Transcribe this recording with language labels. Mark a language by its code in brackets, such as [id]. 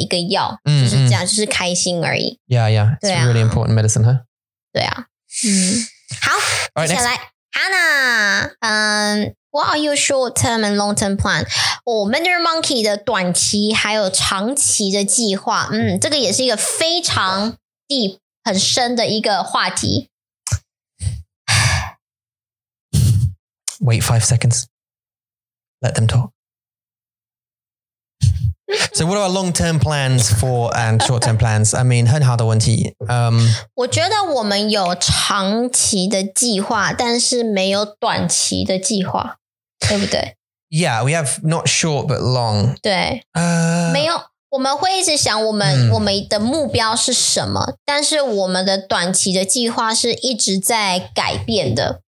[zh] 我们喜欢你们开心。对呀，对呀，开心是一个非常好的药，它就是一个会让你开心，会让你很健康的一个药，就是这样，就是开心而已。Yeah, yeah. [en] It's a really important medicine, huh? [zh] 对啊。嗯，好，接下来 Hannah, [en] what are your short-term and long-term plan? [zh] Oh, Mandarin Monkey的短期还有长期的计划，嗯，这个也是一个非常deep、很深的一个话题。 [en] Wait 5 seconds. Let them talk. So what are our long-term plans for and short-term plans? I mean, [zh] 很好的问题. 我觉得我们有长期的计划,但是没有短期的计划, 对不对? [en] Yeah, we have not short but long. [zh] 对, 没有, 我们会一直想我们、mm. 我们的目标是什么，但是我们的短期的计划是一直在改变的。